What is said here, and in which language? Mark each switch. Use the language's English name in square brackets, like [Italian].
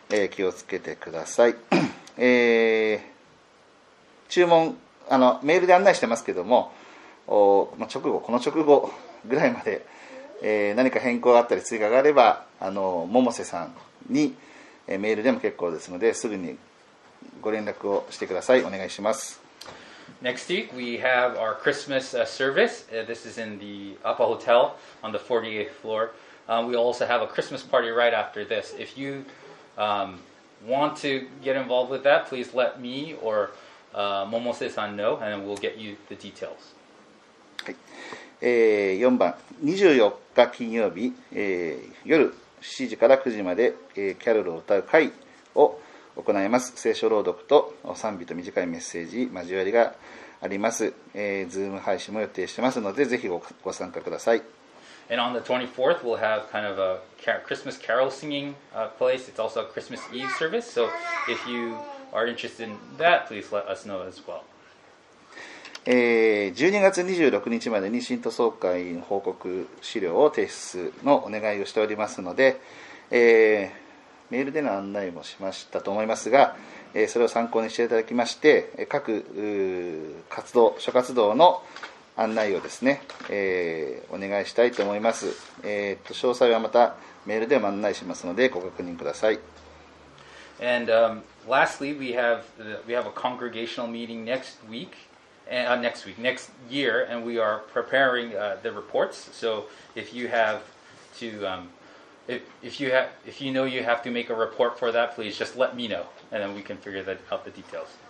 [Japanese] 気をつけてください。注文メールで案内してますけども、直後この直後ぐらいまで、何か変更があったり追加があれば百瀬さんに、メールでも結構ですのですぐにご連絡をしてください。お願いします。 [English] Next week we have our Christmas service. This is in the Apa Hotel on the 48th floor. We also have a Christmas party right after this. If you want to get involved with that, please let me or Momose-san know, and we'll get you the details. [Japanese] 4番、24日金曜日、夜7時から9時まで、キャロルを歌う会を行います。聖書朗読と賛美と短いメッセージ交わりがあります。 Zoom、配信も予定してますのでぜひ ご参加ください。 [English] And on the 24th, we'll have kind of a Christmas carol singing place. It's also a Christmas Eve service. So if you are interested in that, please let us know as well. [Japanese] 12月26日までに信徒総会の報告資料を提出のお願いをしておりますので、メールでの案内もしましたと思いますが、それを参考にしていただきまして、各活動、諸活動の案内をですね、お願いしたいと思います。詳細はまたメールでも案内しますのでご確認ください。 [English] And lastly we have a congregational meeting next week next year, and we are preparing the reports. So if you have to if you know you have to make a report for that, please just let me know and then we can figure that out the details.